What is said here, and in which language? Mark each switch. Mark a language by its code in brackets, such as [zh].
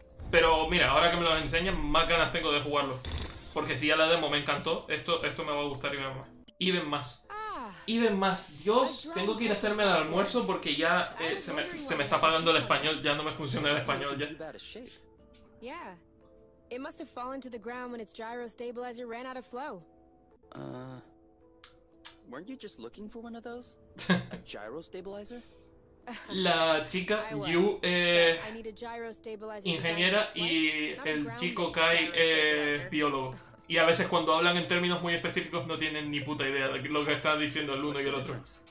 [es] Pero mira, ahora que me los enseñan, más ganas tengo de jugarlo. Porque si ya la demo me encantó, esto me va a gustar even más. Even más. Y ven más, Dios, tengo que ir a hacerme el almuerzo porque ya se me está apagando el español, ya no me funciona el español ya. [en] Yeah. It must have fallen to the ground when its gyro stabilizer ran out of flow. Weren't you just looking for one of those? A gyro stabilizer? [es] La chica Yu, ingeniera, y el chico Kai, biólogo. Y a veces cuando hablan en términos muy específicos no tienen ni puta idea de lo que están diciendo el uno y el otro.